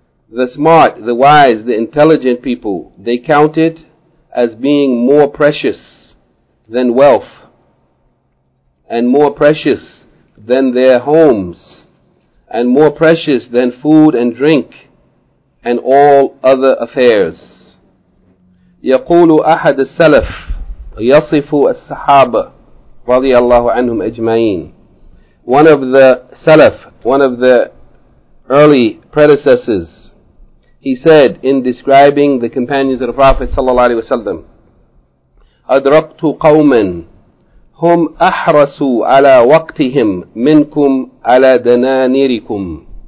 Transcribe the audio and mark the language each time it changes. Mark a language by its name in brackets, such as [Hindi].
[English] The smart, the wise, the intelligent people, they count it as being more precious than wealth. And more precious than their homes, and more precious than food and drink, and all other affairs. [Arabic] يقول أحد السلف يصف الصحابة رضي الله عنهم أجمعين. [English] One of the Salaf, one of the early predecessors, he said in describing the companions of the Prophet sallallahu alaihi wasallam, [Arabic] أدركت قوما هم أحرسوا على وقتهم منكم على دنانيركم.